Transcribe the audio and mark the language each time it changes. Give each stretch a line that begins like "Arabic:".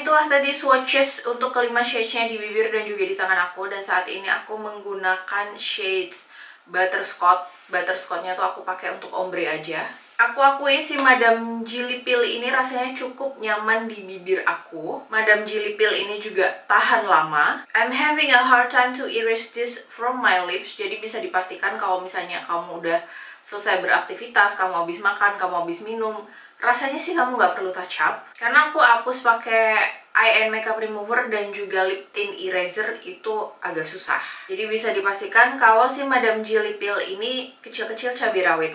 Indonesian: Tadi swatches untuk kelima shades-nya di bibir dan juga di tangan aku. Dan saat ini aku menggunakan shades Butterscotch. Butterscotch-nya tuh aku pakai untuk ombre aja. Aku akui si Madam G Lip Peel ini rasanya cukup nyaman di bibir aku. Madam G Lip Peel ini juga tahan lama.
English: I'm having a hard time to erase this from my lips.
Indonesian: Jadi bisa dipastikan kalau misalnya kamu udah selesai beraktivitas, kamu habis makan, kamu habis minum, rasanya sih kamu gak perlu touch up. Karena aku hapus pakai eye and makeup remover dan juga lip tint eraser itu agak susah. Jadi bisa dipastikan kalau si Madam G Lip Peel ini kecil-kecil cabai rawit.